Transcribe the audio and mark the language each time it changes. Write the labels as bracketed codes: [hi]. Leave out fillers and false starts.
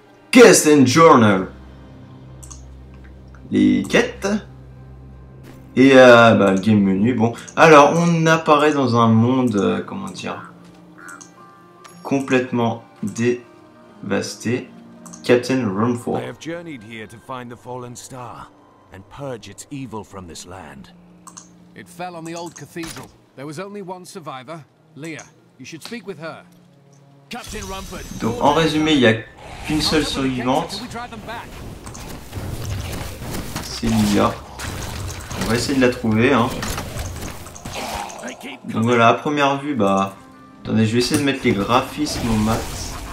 [en] Quest and Journal. [fr] Les quêtes. Et le game menu. Bon, alors, on apparaît dans un monde, complètement dévasté. [en] Captain Runfall. I have journeyed here to find the fallen star and purge its evil from this land. It fell on the old cathedral. There was only one survivor, Leah. You should speak with her. Captain Runford. [fr] Donc en résumé, il y a qu'une seule survivante. C'est Leah. On va essayer de la trouver, hein. Donc voilà, à première vue, Attendez, je vais essayer de mettre les graphismes au max.